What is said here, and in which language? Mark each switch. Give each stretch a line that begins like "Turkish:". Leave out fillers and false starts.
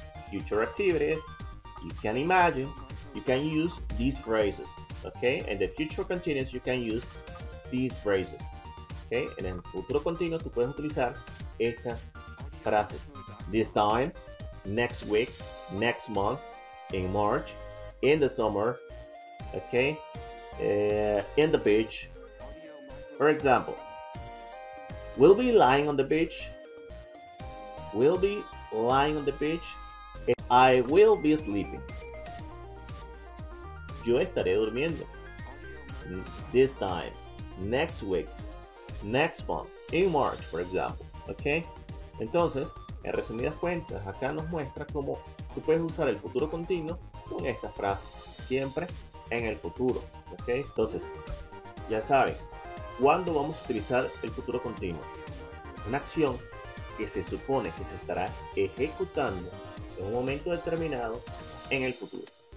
English: Future activities, you can imagine, you can use these phrases, ok. And the future continues, you can use these phrases, ok.
Spanish: En el futuro continuo, tú puedes utilizar estas frases.
English: This time, next week, next month, in March, in the summer, ok. In the beach, for example, we'll be lying on the beach. We'll be lying on the beach. I will be sleeping.
Spanish: Yo estaré durmiendo.
English: This time, next week, next month, in March, for example. Okay.
Spanish: Entonces, en resumidas cuentas, acá nos muestra cómo tú puedes usar el futuro continuo con esta frase siempre. En el futuro, ok. Entonces, ya saben, ¿cuándo vamos a utilizar el futuro continuo? Una acción que se supone que se estará ejecutando en un momento determinado en el futuro.